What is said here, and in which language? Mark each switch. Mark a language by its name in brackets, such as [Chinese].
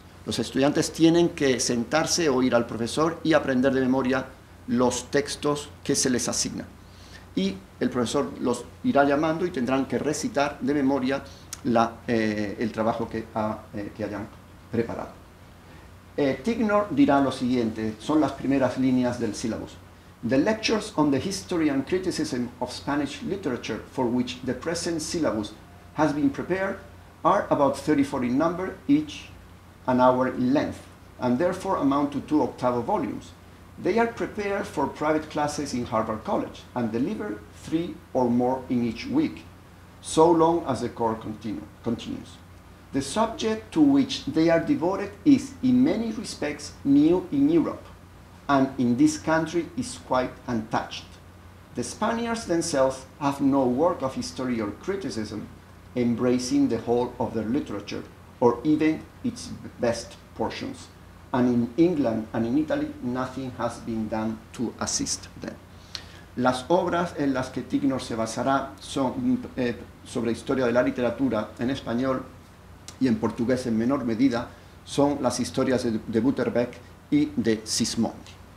[Spanish] Los estudiantes tienen que sentarse o ir al profesor y aprender de memoria los textos que se les asigna. Y el profesor los irá llamando y tendrán que recitar de memoria el trabajo que hayan preparado. Ticknor dirá lo siguiente, son las primeras líneas del sílabus. [English] The lectures on the history and criticism of Spanish literature for which the present syllabus has been prepared are about 34 in number, each an hour in length, and therefore amount to 2 octavo volumes. They are prepared for private classes in Harvard College and delivered 3 or more in each week, so long as the course continues. The subject to which they are devoted is, in many respects, new in Europe, and in this country is quite untouched. The Spaniards themselves have no work of history or criticism embracing the whole of their literature, or even its best portions. And in England and in Italy, nothing has been done to assist them. [Spanish] Las obras en las que Ticknor se basará son sobre historia de la literatura en español y en portugués en menor medida, son las historias de Butterbeck y de Sismondi.